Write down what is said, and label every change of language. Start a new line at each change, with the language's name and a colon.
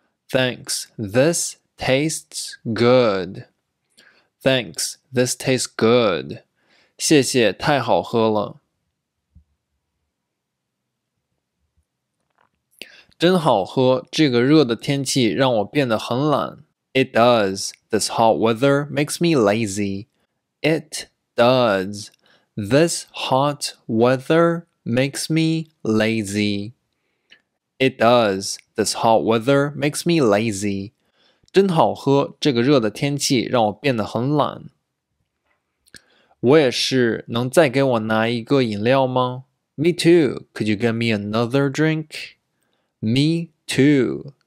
English: Thanks, this tastes good. Thanks, this tastes good.
Chinese: 谢谢，太好喝了。真好喝，这个热的天气让我变得很懒。
English: It does, this hot weather makes me lazy. It does, this hot weather makes me lazy. It does. This hot weather makes me lazy.
Chinese: 真好喝，这个热的天气让我变得很懒。我也是，能再给我拿一个饮料吗？
English: Me too. Could you get me another drink? Me too.